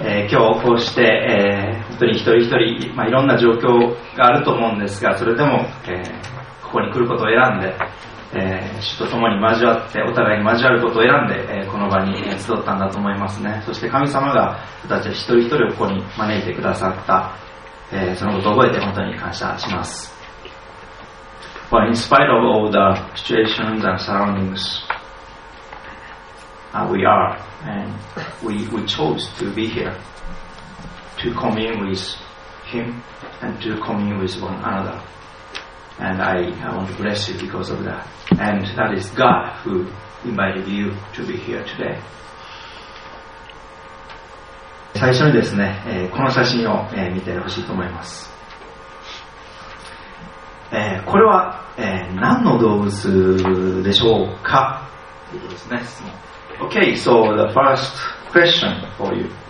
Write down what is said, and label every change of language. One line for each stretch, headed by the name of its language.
Japanese: 今日こうして、本当に一人一人、いろんな状況があると思うんですが、それでも、ここに来ることを選んで、主と共に交わって、お互いに交わることを選んで、この場に集ったんだと思いますね。そして神様が私たち一人一人をここに招いてくださった、そのことを覚えて本当に感謝します。
English: But in spite of all the situations and surroundings, we are and we chose to be here to commune with Him and to commune with one another. And I want to bless you because of that. And that is God who invited you to be here today.
Japanese: 最初にですね、この写真を見てほしいと思います。これは何の動物でしょうかということですね。
English: Okay, so the first question for you.